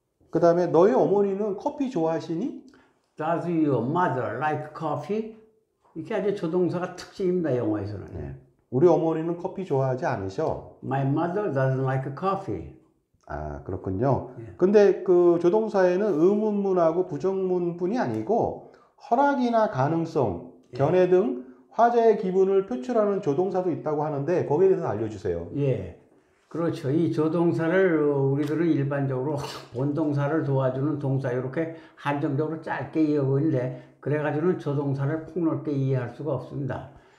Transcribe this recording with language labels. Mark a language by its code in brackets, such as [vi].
[ko] 그다음에 너의 어머니는 커피 좋아하시니? [en] Does your mother like coffee? [ko] 이게 아주 조동사가 특징입니다, 영어에서는. 네. 우리 어머니는 커피 좋아하지 않으셔? [en] My mother doesn't like coffee. [ko] 아, 그렇군요. 네. 근데 그 조동사에는 의문문하고 부정문뿐이 아니고 허락이나 가능성, 견해 등 화제의 기분을 표출하는 조동사도 있다고 하는데 거기에 대해서 알려주세요. 예. 네. 그렇죠. 이 조동사를 우리들은 일반적으로 본동사를 도와주는 동사 이렇게 한정적으로 짧게 이어가고 있는데 그래가지고는 조동사를 폭넓게 이해할 수가 없습니다.